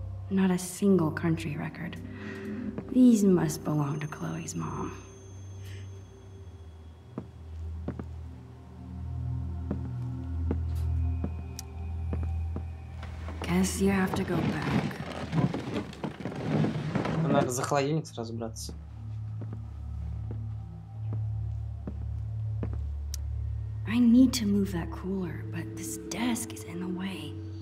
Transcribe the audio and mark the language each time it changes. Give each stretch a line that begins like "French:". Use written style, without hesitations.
English: Not a single country record. These must belong to Chloe's mom. Guess you have to go back.
Russian: Надо за холодильник сразу браться.
English: I need to move that cooler, but this desk is in the way.